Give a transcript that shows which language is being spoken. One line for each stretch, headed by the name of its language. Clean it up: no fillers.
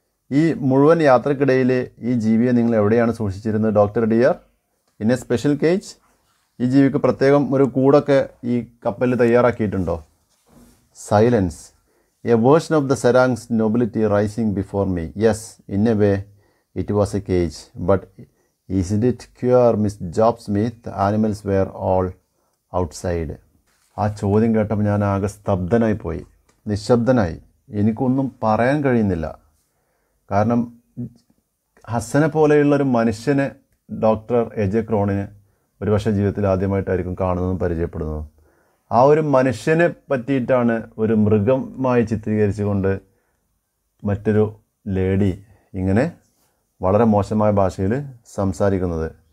Malayalam: ഈ മുഴുവൻ യാത്രക്കിടയിൽ ഈ ജീവിയെ നിങ്ങൾ എവിടെയാണ് സൂക്ഷിച്ചിരുന്നത് doctor dear?
English: In a special cage?
Malayalam: ഈ ജീവിക്ക് പ്രത്യേകം ഒരു കൂടൊക്കെ ഈ കപ്പലിൽ തയ്യാറാക്കിയിട്ടുണ്ടോ? Silence.
English: A version of the serang's nobility rising before me. Yes, in a way it was a cage. But Isn't it queer, Miss Job Smith? The animals were all outside.
Malayalam: ആ ചോദ്യം കേട്ടപ്പോൾ ഞാൻ ആകെ സ്തബ്ധനായിപ്പോയി, നിശബ്ദനായി. എനിക്കൊന്നും പറയാൻ കഴിയുന്നില്ല. കാരണം ഹസനെ പോലെയുള്ളൊരു മനുഷ്യനെ ഡോക്ടർ എജെ ക്രോണിന് ഒരു പക്ഷേ ജീവിതത്തിൽ ആദ്യമായിട്ടായിരിക്കും കാണുന്നതും പരിചയപ്പെടുന്നതും. ആ ഒരു മനുഷ്യനെ പറ്റിയിട്ടാണ് ഒരു മൃഗമായി ചിത്രീകരിച്ചുകൊണ്ട് മറ്റൊരു ലേഡി ഇങ്ങനെ വളരെ മോശമായ ഭാഷയിൽ സംസാരിക്കുന്നത്.